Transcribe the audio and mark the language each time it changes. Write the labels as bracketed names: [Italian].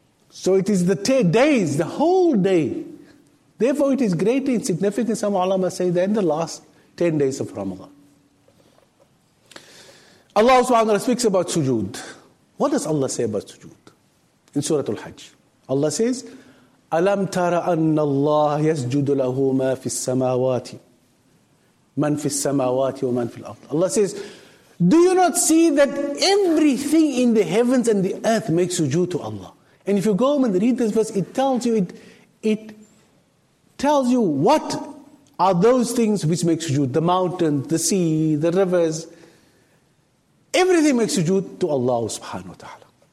[English] So it is the days, the whole day. Therefore it is greater in significance, some ulama say, than the last 10 days of Ramadan. Allah subhanahu wa ta'ala speaks about sujood. What does Allah say about sujood? In Surah Al-Hajj, Allah says, [Arabic] أَلَمْ تَرَ أَنَّ اللَّهَ يَسْجُدُ لَهُ مَا فِي السَّمَاوَاتِ مَنْ فِي السَّمَاوَاتِ وَمَنْ فِي الْأَرْضِ. [English] Allah says, do you not see that everything in the heavens and the earth makes sujood to Allah? And if you go home and read this verse, it tells you, it tells you what are those things which make sujood. The mountain, the sea, the rivers. Everything makes sujood to Allah subhanahu wa ta'ala.